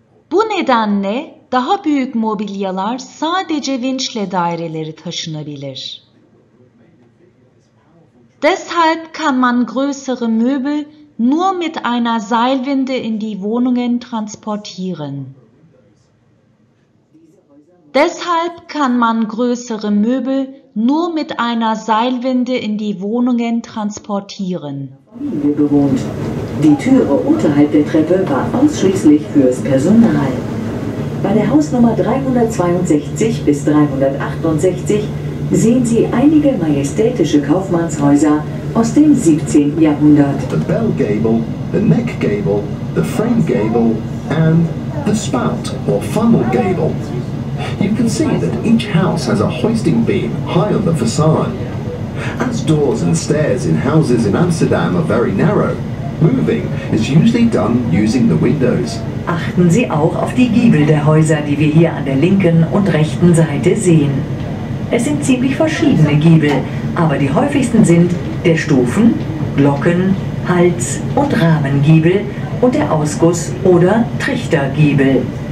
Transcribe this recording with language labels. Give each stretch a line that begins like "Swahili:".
Turkish: Bu nedenle daha büyük mobilyalar sadece vinçle daireleri taşınabilir.
German: Deshalb kann man größere Möbel nur mit einer Seilwinde in die Wohnungen transportieren. Deshalb kann man größere Möbel nur mit einer Seilwinde in die Wohnungen transportieren. Die Türe unterhalb der Treppe war ausschließlich fürs Personal. Bei der Hausnummer 362 bis 368 sehen Sie einige majestätische Kaufmannshäuser aus dem 17. Jahrhundert.
English: The bell gable, the neck gable, the frame gable and the spout or funnel gable. You can see that each house has a hoisting beam high on the facade. As doors and stairs in houses in Amsterdam are very narrow, moving is usually done using the windows.
German: Achten Sie auch auf die Giebel der Häuser, die wir hier an der linken und rechten Seite sehen. Es sind ziemlich verschiedene Giebel, aber die häufigsten sind der Stufen-, Glocken-, Hals- und Rahmengiebel und der Ausguss- oder Trichtergiebel.